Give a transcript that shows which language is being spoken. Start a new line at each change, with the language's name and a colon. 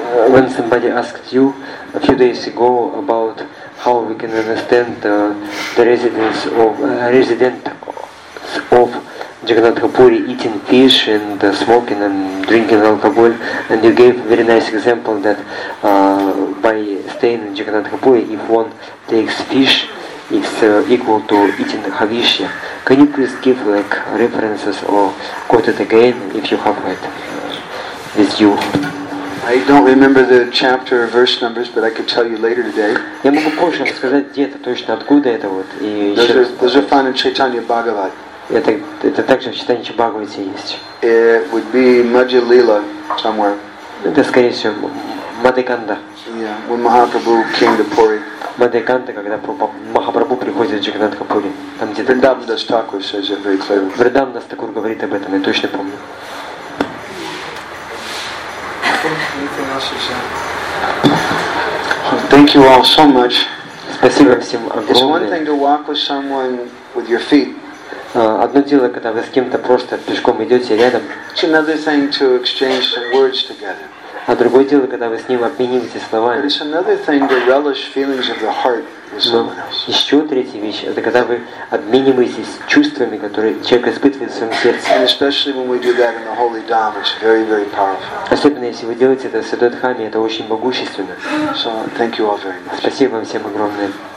English: When somebody asked you a few days ago about how we can understand the residents of Jagannathapuri eating fish and smoking and drinking alcohol, and you gave a very nice example that by staying in Jagannathapuri, if one takes fish it's equal to eating Havishya. Can you please give like references or quote it again if you have it with you? I don't remember the chapter or verse numbers, but I could tell you later today.
Russian: Я могу позже рассказать, где это точно, откуда это вот.
English: Those are found in Chaitanya Bhagavat.
Russian: Это также в Чайтанья Бхагавате есть.
English: It would be Madhya Lila somewhere.
Russian: Это скорее всего Мадхиканда.
English: Yeah, when Mahaprabhu came to Puri.
Russian: Мадхиканда, когда Махапрабху приходит в Джаганатхапури. Там где-то.
English: Вриндавандас Такур says it very clearly.
Russian: Вриндавандас Такур говорит об этом, я точно помню.
English: Thank you all so much.
Russian: Спасибо всем огромное.
English: It's one thing to walk with someone with your feet.
Russian: Одно дело, когда вы с кем-то просто пешком идете рядом.
English: It's another thing to exchange some words together.
Russian: А другое дело, когда вы с ним обмениваетесь словами.
English: It's another thing to relish feelings of the heart with someone else.
Russian: Еще третья вещь, это когда вы обмениваетесь чувствами, которые человек испытывает в своем сердце.
English: And especially when we do that in the Holy Dhamma, it's very, very powerful.
Russian: Особенно если вы делаете это в Святой Дхамме, это очень могущественно.
English: So, thank you all very much.
Russian: Спасибо вам всем огромное.